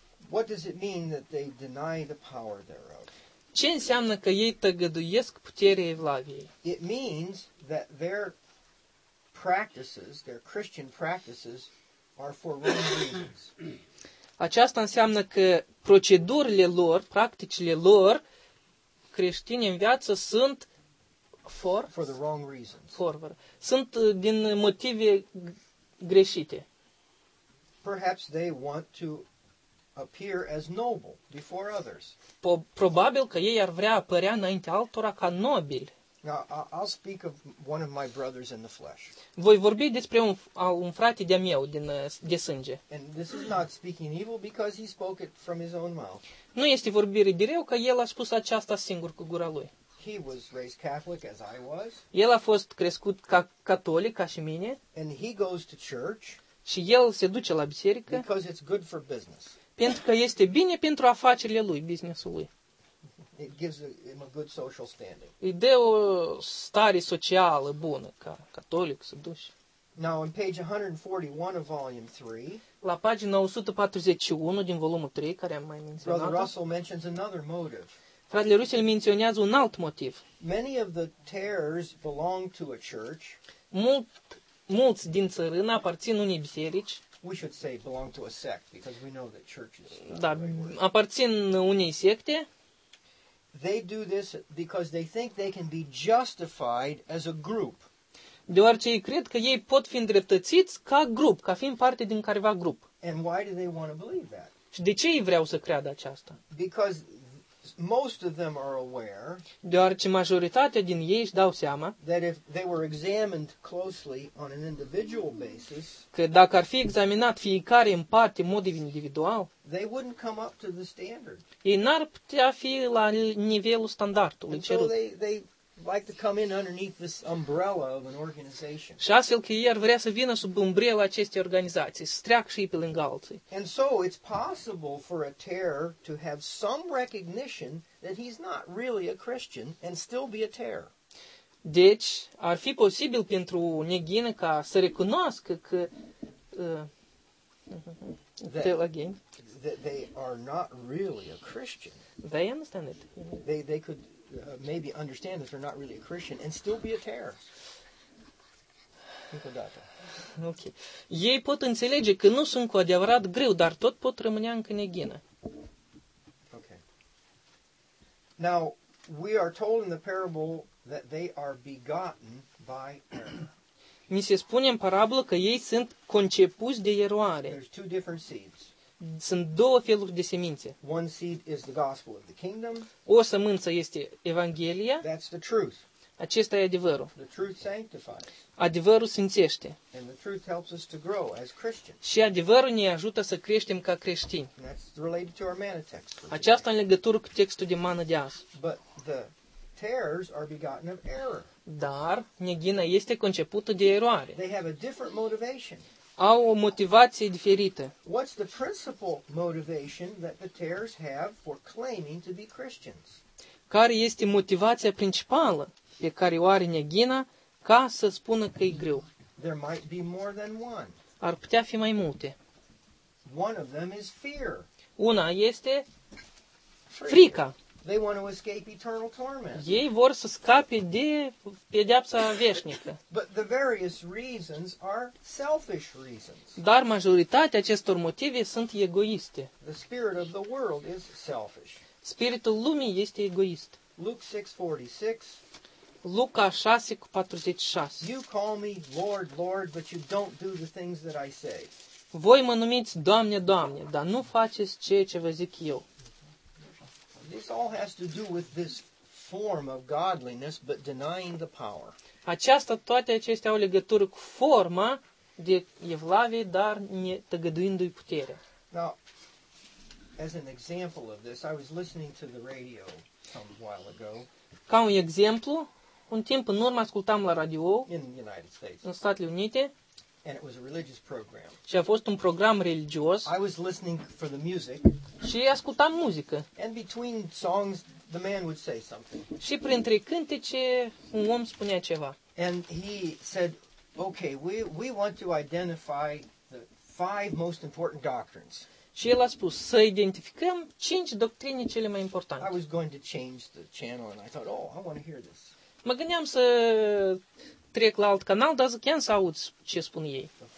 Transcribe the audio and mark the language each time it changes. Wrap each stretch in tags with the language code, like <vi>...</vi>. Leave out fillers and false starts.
<en>What does it mean that they deny the power thereof?</en> <ro>Ce înseamnă că ei tăgăduiesc puterea evlaviei?</ro> <en>It means that their practices, their Christian practices, are for wrong reasons.</en> <ro>Aceasta înseamnă că procedurile lor, practicile lor, creștini în viață, sunt</ro> <en>for the wrong reasons.</en> <ro>Sunt din motive greșite.</ro> <en>Perhaps they want to appear as noble before others.</en> <ro>Probabil că ei ar vrea apărea înainte altora ca nobil.</ro> <en>Now, I'll speak of one of my brothers in the flesh.</en> <ro>Voi vorbi despre un frate de-a meu de sânge.</ro> <en>And this is not speaking evil because he spoke it from his own mouth.</en> <ro>Nu este vorbire de rău că el a spus aceasta singur cu gura lui.</ro> <en>He was raised Catholic as I was.</en> <ro>El a fost crescut ca catolic ca și mine.</ro> <en>And he goes to church.</en> <ro>Și el se duce la biserică.</ro> <en>Because it's good for business.</en> <ro>Pentru că este bine pentru afacerile lui, business-ul lui.</ro> <en>It gives him a good social standing.</en> <ro>Îi dă o stare socială bună ca catolic să duci.</ro> <en>Now on page 141 of volume 3.</en> <ro>La pagina 141 din volumul 3, care am mai menționat.</ro> <en>Brother Russell mentions another motive.</en> <ro>Fratele Russell menționează un alt motiv.</ro> <en>Many of the tares belong to a church.</en> <ro>Mulți din țărână aparțin unei biserici.</ro> <en>We should say belong to a sect because we know that churches.</en> <ro>Da, aparțin unei secte.</ro> <en>They do this because they think they can be justified as a group.</en> <ro>Deoarece ei cred că ei pot fi îndreptățiți ca grup, ca fiind parte din careva grup.</ro> <en>And why do they want to believe that?</en> <ro>Și de ce ei vreau să creadă aceasta?</ro> <en>Because most of them are aware.</en> <ro>Deoarece majoritatea din ei își dau seama.</ro> <en>That if they were examined closely on an individual basis.</en> <ro>Că dacă ar fi examinat fiecare în parte, în mod individual.</ro> <en>They wouldn't come up to the standard.</en> <ro>Ei n-ar putea fi la nivelul standardului cerut.</ro> <en>So they like to come in underneath this umbrella of an organization.</en> <ro>Și astfel că ei ar vrea să vină sub umbrela acestei organizații, să treacă și ei pe lângă alții.</ro> <en>And so it's possible for a terror to have some recognition that he's not really a Christian and still be a terror.</en> <ro>Deci, ar fi posibil pentru neghină ca să recunoască că</ro> <en>they are not really a Christian. They understand it. They could maybe understand that they're not really a Christian and still be a terror. Okay.</en> <ro>Ei pot înțelege că nu sunt cu adevărat greu, dar tot pot rămâne încă neghină.</ro> <en>Okay. Now, we are told in the parable that they are begotten by error.</en> <ro>Ni se spune în parabolă că ei sunt concepuți de eroare.</ro> <en>There's two different seeds.</en> <ro>Sunt două feluri de semințe.</ro> <en>One seed is the gospel of the kingdom.</en> <ro>O sămânță este Evanghelia.</ro> <en>That's the truth.</en> <ro>Acesta e adevărul.</ro> <en>The truth sanctifies.</en> <ro>Adevărul sfințește.</ro> <en>And the truth helps us to grow as Christians.</en> <ro>Și adevărul ne ajută să creștem ca creștini.</ro> <en>And that's related to our manna text.</en> <ro>Aceasta în legătură cu textul de mană de azi.</ro> <en>But the tares are begotten of error.</en> <ro>Dar neghina este concepută de eroare.</ro> <en>They have a different motivation.</en> <ro>Au o motivație diferită.</ro> <en>What's the principal motivation that the tares have for claiming to be Christians?</en> <ro>Care este motivația principală pe care o are neghina ca să spună că e greu?</ro> <en>There might be more than one.</en> <ro>Ar putea fi mai multe.</ro> <en>One of them is fear.</en> <ro>Una este frica.</ro> <en>They want to escape eternal torment.</en> <ro>Ei vor să scape de pedeapsa veșnică.</ro> <en>But the various reasons are selfish reasons.</en> <ro>Dar majoritatea acestor motive sunt egoiste.</ro> <en>The spirit of the world is selfish.</en> <ro>Spiritul lumii este egoist.</ro> <en>Luke 6:46. You call me Lord, Lord, but you don't do the things that I say.</en> <ro>Voi mă numiți Doamne, Doamne, dar nu faceți ceea ce vă zic eu.</ro> <en>This all has to do with this form of godliness, but denying the power.</en> <ro>Aceasta, toate acestea au legătură cu forma de evlavie, dar ne tăgăduindu-i puterea.</ro> <en>Now, as an example of this, I was listening to the radio some while ago.</en> <ro>Ca un exemplu, un timp în urmă ascultam la radio</ro> <en>in the United States.</en> <ro>În Statele Unite.</ro> <en>And it was a religious program.</en> <ro>Și a fost un program religios.</ro> <en>I was listening for the music.</en> <ro>Și ascultam muzică.</ro> <en>And between songs, the man would say something.</en> <ro>Și printre cântece, un om spunea ceva.</ro> <en>And he said, "Okay, we want to identify the five most important doctrines."</en> <ro>Și el a spus să identificăm cinci doctrine cele mai importante.</ro> <en>I was going to change the channel, and I thought, "Oh, I want to hear this."</en> <ro>Mă gândeam să trec la alt canal, dar zic, chiar să auzi ce spun ei.</ro>